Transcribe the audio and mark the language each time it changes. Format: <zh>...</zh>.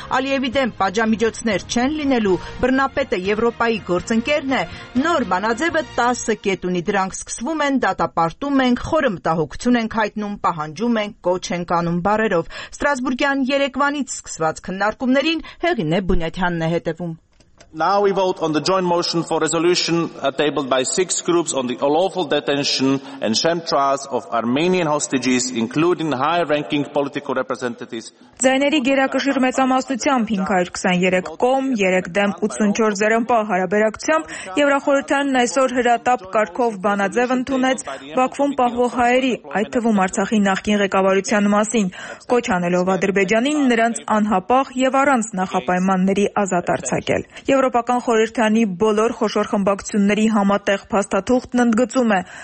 <hy>Ալիևի դեմ պատժամիջոցներ չեն լինելու, բռնապետը Եվրոպայի գործընկերն է, նոր բանաձևը 10 կետ ունի, դրանք սկսվում են, դատապարտում ենք, խորը մտահոգություն ենք հայտնում, պահանջում ենք, կոչ ենք անում բարերը։ Ստրասբուրգյան Երևանից սկսված քննարկումներին Հեղինե Բունյաթյանն է հետևում։</hy> <en>Now we vote on the joint motion for resolution tabled by six groups on the unlawful detention and sham trials of Armenian hostages, including high-ranking political representatives.</en> <hy>Ձայների գերակշիռ մեծամասնությամբ 523 կոմ, 3 դեմ 84 զերամպահ հարաբերակցությամբ Եվրախորհրդանն այսօր հրատապ կարգով բանաձև ընդունեց Բաքվում պահվող հայերի, այդ թվում Արցախի նախկին ղեկավարության մասին, կոչ անելով Ադրբեջանին նրանց անհապաղ և առանց նախապայմանների ազատ արձակել։ Եվրոպական խորհրդանի բոլոր խոշոր խմբակցությունների համատեղ փաստաթուղթն ընդգծում է,</hy>